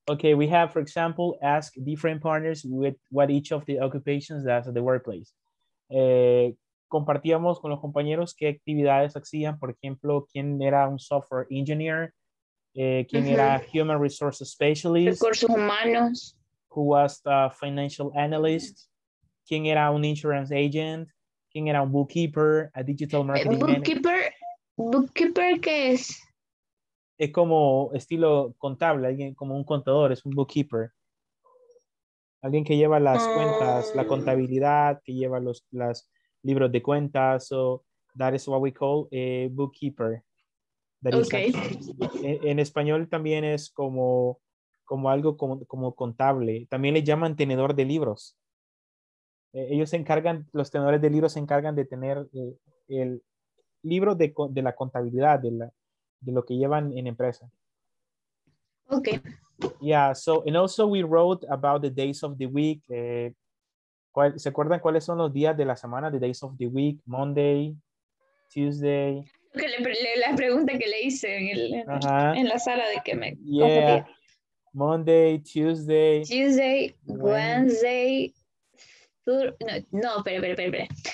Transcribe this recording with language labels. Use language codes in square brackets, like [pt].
[en] Okay, we have, for example, ask different partners with what each of the occupations does at the workplace. [es] Compartíamos con los compañeros qué actividades hacían, por ejemplo, quién era un software engineer, quién era [en] human resources specialist. [es] Recursos humanos. [en] Who was the financial analyst, [es] quién era un [en] insurance agent, quién era un bookkeeper, a digital marketing bookkeeper, manager. [es] Bookkeeper, ¿qué es? Es como estilo contable, alguien como un contador, es un bookkeeper. Alguien que lleva las cuentas, la contabilidad, que lleva los libros de cuentas. [en] So that is what we call a bookkeeper. That okay. Is actually, [es] en español también es como algo como contable. También le llaman tenedor de libros. Ellos se encargan, los tenedores de libros se encargan de tener el libro de la contabilidad, de lo que llevan en empresa. [en] Okay. Yeah, so, and also we wrote about the days of the week. [es] ¿Se acuerdan cuáles son los días de la semana? [en] The days of the week, Monday, Tuesday. [es] Okay, la pregunta que le hice en la sala de que me confundí. [en] Yeah, Monday, Tuesday. Tuesday, Wednesday, [es] No, espera.